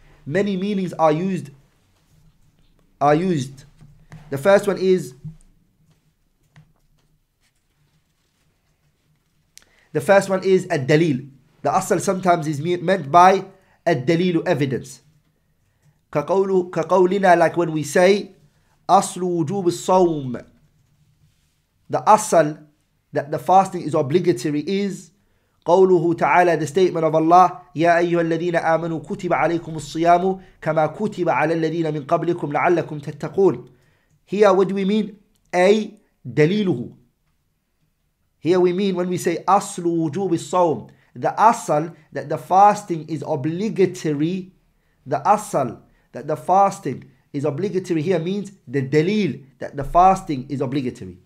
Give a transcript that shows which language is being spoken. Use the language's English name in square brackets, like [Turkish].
[English] Many meanings are used. The first one is, الدليل. The asl sometimes is meant by الدليل, evidence. [Arabic] كَقَوْلِنَا, [English] like when we say [Arabic] أصل وجوب الصوم. [English] The asal that the fasting is obligatory is [Arabic] قوله تعالى, [English] the statement of Allah, [Arabic] يا أيها الذين آمنوا كتب عليكم الصيام كما كتب على الذين من قبلكم لعلكم تتقون. [English] Here what do we mean? [Arabic] أي دليله. [English] Here we mean, when we say [Arabic] أصل وجوب الصوم, [English] the asal that the fasting is obligatory, the asal that the fasting is obligatory here means the dalil, that the fasting is obligatory.